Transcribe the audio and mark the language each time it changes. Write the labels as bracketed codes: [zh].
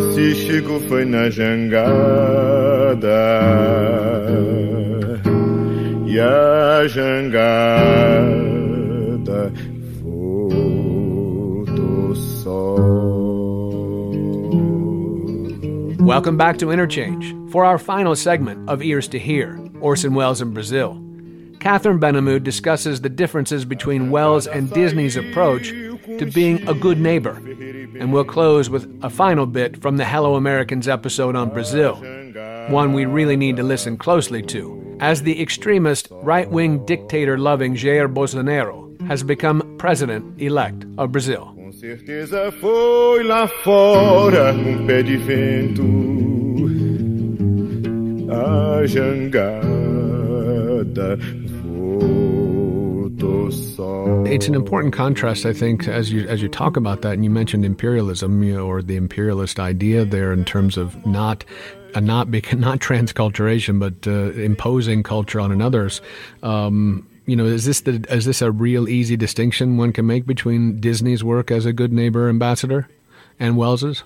[pt] Chico foi na jangada, e a jangada voltou só. [en] Welcome back to Interchange. For our final segment of Ears to Hear, Orson Welles in Brazil, Catherine Benhamou discusses the differences between Welles and Disney's approach to being a good neighbor. And we'll close with a final bit from the Hello Americans episode on Brazil, one we really need to listen closely to, as the extremist right-wing dictator-loving Jair Bolsonaro has become president-elect of Brazil. [pt] Com certeza foi lá fora, com pé de vento, a jangada voltou só. [en] It's an important contrast, I think, as you talk about that, and you mentioned imperialism, you know, or the imperialist idea there in terms of not transculturation, but imposing culture on another's. You know, is this a real easy distinction one can make between Disney's work as a good neighbor ambassador and Welles's?